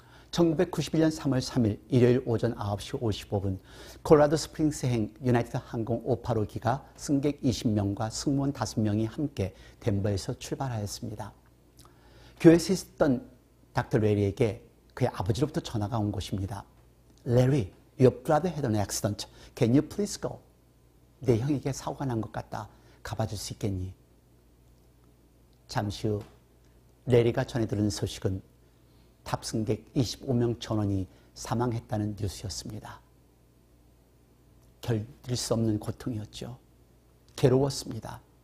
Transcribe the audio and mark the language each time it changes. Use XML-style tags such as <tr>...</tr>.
<ko>1991년 3월 3일 일요일 오전 9시 55분 콜로라도 스프링스행 유나이티드 항공 585기가 승객 20명과 승무원 5명이 함께 덴버에서 출발하였습니다. 교회에서 있었던 닥터 레리에게 그의 아버지로부터 전화가 온 것입니다.</ko> <en>레리, your brother had an accident. Can you please go?</en> <ko>내 형에게 사고가 난 것 같다. 가봐줄 수 있겠니? 잠시 후 레리가 전해 들은 소식은 탑승객 25명 전원이 사망했다는 뉴스였습니다. 견딜 수 없는 고통이었죠. 괴로웠습니다.</ko>